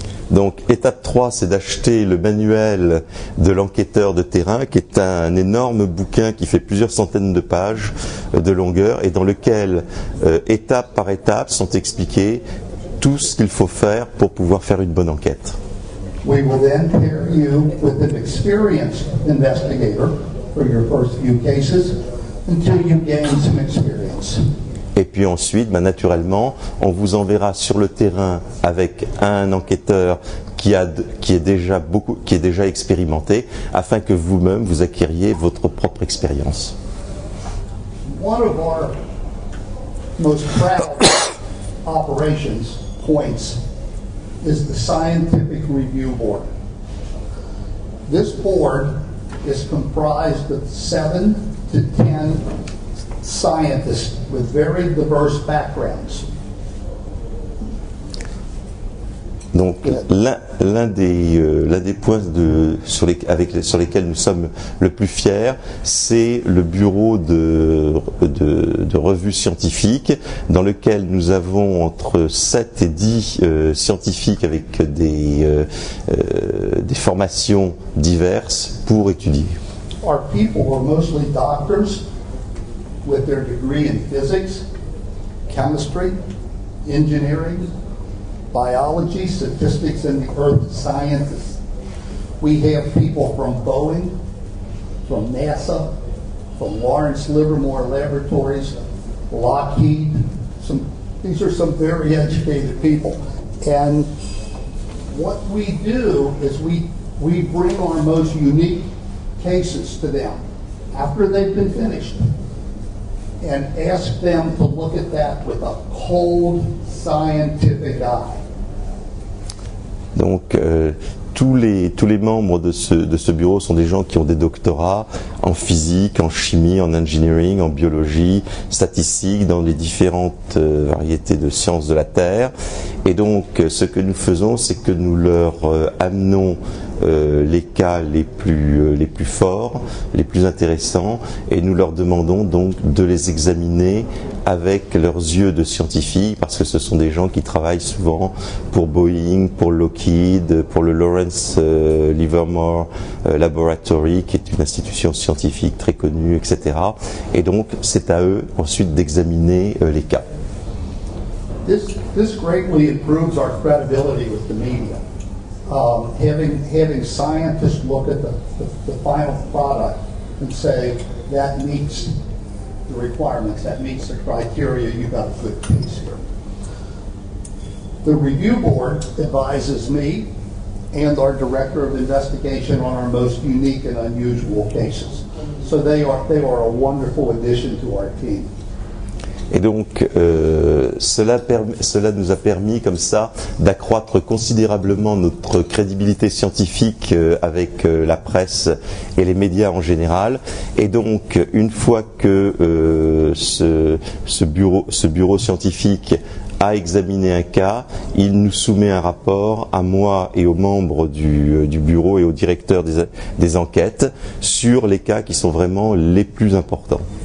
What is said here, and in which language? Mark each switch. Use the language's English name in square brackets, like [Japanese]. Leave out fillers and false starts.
[French] Donc, étape 3, c'est d'acheter le manuel de l'enquêteur de terrain, qui est un énorme bouquin qui fait plusieurs centaines de pages de longueur et dans lequel, étape par étape, sont expliqués tout ce qu'il faut faire pour pouvoir faire une bonne enquête. [English] We will then pair you with an experienced investigator for your first few cases until you gain some experience. [French] Et puis ensuite, bah naturellement, on vous enverra sur le terrain avec un enquêteur qui est déjà expérimenté, afin que vous-même vous acquériez votre propre expérience. [English] One of our most proud operations points is the Scientific Review Board. This board is comprised of 7 to 10 scientists with very diverse backgrounds. [French] Donc l'un des points sur lesquels nous sommes le plus fiers, c'est le bureau de revue scientifique dans lequel nous avons entre 7 et 10 scientifiques avec des formations diverses pour étudier. [English] Our people were mostly doctors with their degree in physics, chemistry, engineering, biology, statistics, and the earth sciences. We have people from Boeing, from NASA, from Lawrence Livermore Laboratories, Lockheed. These are some very educated people. And what we do is we bring our most unique cases to them after they've been finished. And ask them to look at that with a cold scientific eye. [French] Donc tous les membres de ce bureau sont des gens qui ont des doctorats en physique, en chimie, en engineering, en biologie, statistique, dans les différentes variétés de sciences de la Terre. Et donc ce que nous faisons, c'est que nous leur amenons les cas les plus forts, les plus intéressants, et nous leur demandons donc de les examiner avec leurs yeux de scientifiques, parce que ce sont des gens qui travaillent souvent pour Boeing, pour Lockheed, pour le Lawrence Livermore Laboratory, qui est une institution scientifique très connue, etc. Et donc, c'est à eux ensuite d'examiner les cas. [English] This greatly improves our credibility with the media. Having scientists look at the final product and say that meets the requirements, that meets the criteria, you got a good case here. The review board advises me and our director of investigation on our most unique and unusual cases. So they are a wonderful addition to our team. [French] Et donc, cela nous a permis, comme ça, d'accroître considérablement notre crédibilité scientifique avec la presse et les médias en général. Et donc, une fois que ce bureau scientifique a examiné un cas, il nous soumet un rapport à moi et aux membres du bureau et au directeur des enquêtes sur les cas qui sont vraiment les plus importants.